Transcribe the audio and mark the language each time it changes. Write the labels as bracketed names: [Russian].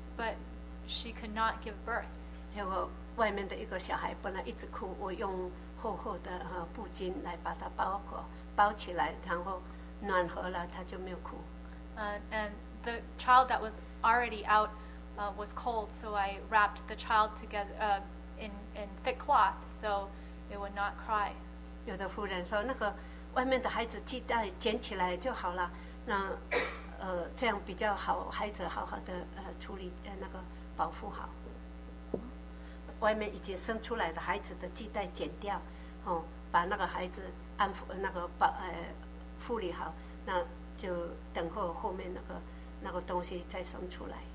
[English] But she could not give birth. [Chinese] 结果外面的一个小孩本来一直哭，我用厚厚的布巾来把它包起来，然后暖和了，它就没有哭。 [English] And the child that was already out was cold, so I wrapped the child together in thick cloth so it would not cry. [Chinese] 有的妇人说，那个外面的孩子系带捡起来就好了，那这样比较好，孩子好好的处理那个保护好。外面已经生出来的孩子的系带剪掉，把那个孩子安抚那个护理好，那就等候后面那个东西再生出来。